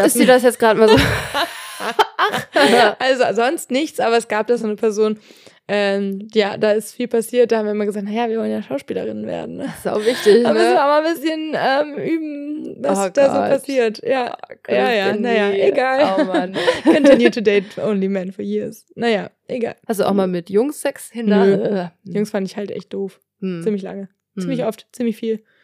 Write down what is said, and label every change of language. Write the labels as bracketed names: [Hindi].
[German] Ach, ist dir das jetzt gerade mal so? Also sonst nichts, aber es gab da so eine Person. Ja, da ist viel passiert. Da haben wir immer gesagt, naja, wir wollen ja Schauspielerinnen werden. Das ist auch wichtig, da ne? Da müssen wir auch mal ein bisschen üben, was da so passiert. Ja, oh, ja, ja, naja, egal. Oh Mann. [English] Continue to date only men for years. [German] Naja, egal. Hast du auch mal mit Jungs Sex hin? Jungs fand ich halt echt doof. Hm. Ziemlich lange. Hm. Ziemlich oft, ziemlich viel.